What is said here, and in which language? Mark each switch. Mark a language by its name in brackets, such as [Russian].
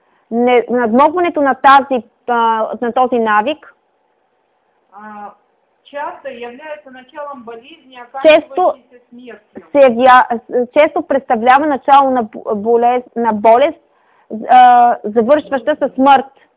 [Bulgarian] Надмогването на този навик [Russian] часто является началом болезни, оканчивающейся смертью. [Bulgarian] Често представлява начало на болест, завършваща със смърт.